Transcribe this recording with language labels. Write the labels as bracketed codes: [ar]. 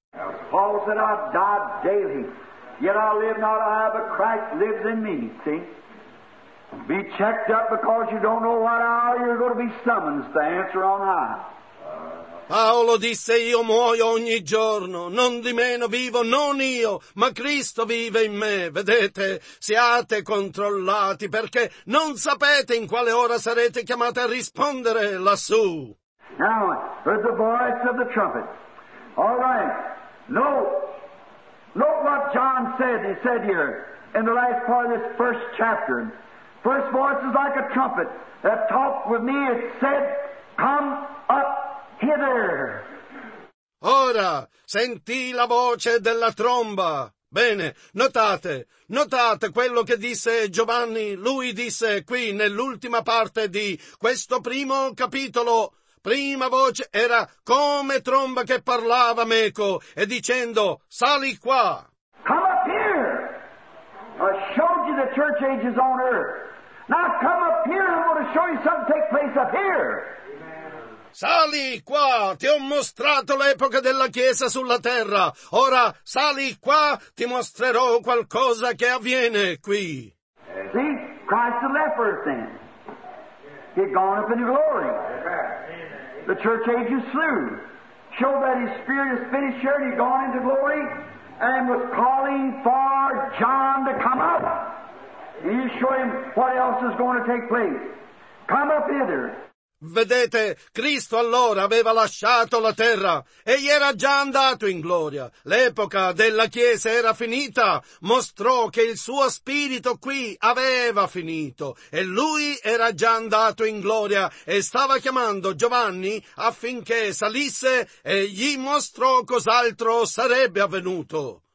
[en] Paul said, I die daily, yet I live not I, but Christ lives in me, see? Be checked up because you don't know what hour you're going to be summoned to answer on high. [it] Paolo disse, io muoio ogni giorno, non di meno vivo, non io, ma Cristo vive in me. Vedete, siate controllati, perché non sapete in quale ora sarete chiamati a rispondere lassù. [en] Now, heard the voice of the trumpet. All right, note what John said. He said here, in the last part of this first chapter, first voice is like a trumpet that talked with me and said, come up hither. [it] Ora sentì la voce della tromba. Bene, notate quello che disse Giovanni. Lui disse qui nell'ultima parte di questo primo capitolo. Prima voce era come tromba che parlava meco e dicendo, sali qua. [en] Come up here. I showed you the church ages on earth. Now come up here, I'm going to show you something take place up here. [it] Sali qua, ti ho mostrato l'epoca della Chiesa sulla terra. Ora sali qua, ti mostrerò qualcosa che avviene qui. [en] See, Christ had left earth then. He had gone up into glory. The church age is through. Showed that his spirit is finished here, and he had gone into glory, and was calling for John to come up. And you show him what else is going to take place. Come up hither. [it] Vedete, Cristo allora aveva lasciato la terra. Egli era già andato in gloria. L'epoca della Chiesa era finita. Mostrò che il suo spirito qui aveva finito. E lui era già andato in gloria. E stava chiamando Giovanni affinché salisse e gli mostrò cos'altro sarebbe avvenuto.